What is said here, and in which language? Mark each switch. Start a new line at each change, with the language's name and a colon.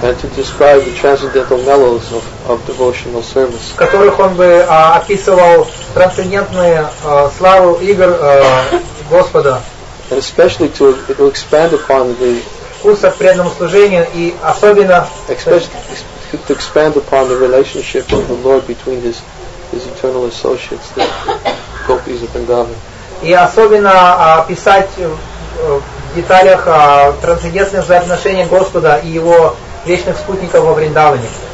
English: and to describe the transcendental mellows of devotional service.
Russian: В которых Он бы описывал трансцендентную славу игр Господа.
English: And especially to expand upon the
Russian: вкуса к преданному служению и особенно
English: to expand upon the relationship of the Lord between His eternal associates, the gopis of Vrindavan.
Russian: И особенно писать в деталях трансцендентные взаимоотношения Господа и Его вечных спутников во Вриндаване.